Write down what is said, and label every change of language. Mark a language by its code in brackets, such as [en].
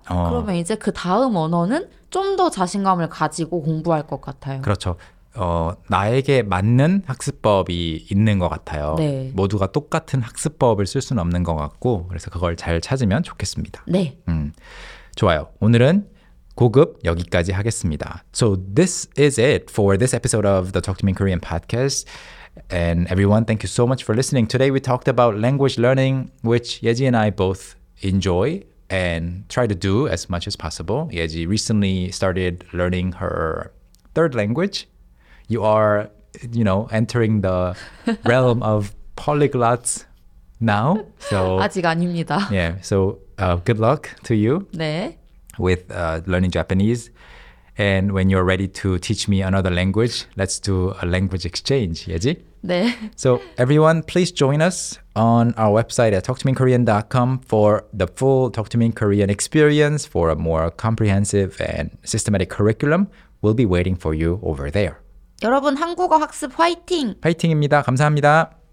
[ko] 그러면 이제 그 다음 언어는 좀 더 자신감을 가지고 공부할 것 같아요. 그렇죠. 나에게 맞는 학습법이 있는 것 같아요. 네. 모두가 똑같은 학습법을 쓸 수는 없는 것 같고 그래서 그걸 잘 찾으면 좋겠습니다. 네. 좋아요. 오늘은 고급 여기까지 하겠습니다. [en] So this is it for this episode of the Talk to Me Korean podcast. And everyone, thank you so much for listening. Today we talked about language learning, which Yeji and I both enjoy and try to do as much as possible. Yeji recently started learning her third language. You are, you know, entering the realm of polyglots now. So, [ko] 아직 아닙니다. [en] Yeah, so good luck to you. [ko] 네. [en] With learning Japanese. And when you're ready to teach me another language, let's do a language exchange, Yeji? [ko] 네. [en] So everyone, please join us on our website at talktomeinkorean.com for the full Talk to Me in Korean experience for a more comprehensive and systematic curriculum. We'll be waiting for you over there. [ko] 여러분, 한국어 학습 화이팅! 화이팅입니다. 감사합니다.